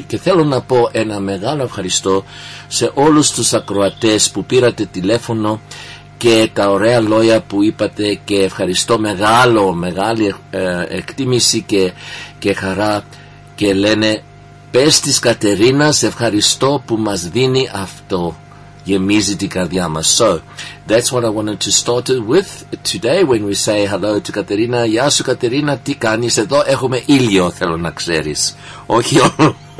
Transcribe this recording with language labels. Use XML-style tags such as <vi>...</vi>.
<el>Και θέλω να πω ένα μεγάλο ευχαριστώ σε όλους τους ακροατές που πήρατε τηλέφωνο και τα ωραία λόγια που είπατε και ευχαριστώ μεγάλο, μεγάλη εκτίμηση και χαρά και λένε πες της Κατερίνας ευχαριστώ που μας δίνει αυτό, γεμίζει την καρδιά μας.</el> <en>So, that's what I wanted to start with today when we say hello to Κατερίνα.</en> <el>Γεια σου Κατερίνα, τι κάνεις εδώ, έχουμε ήλιο θέλω να ξέρεις, όχι όλο.</el>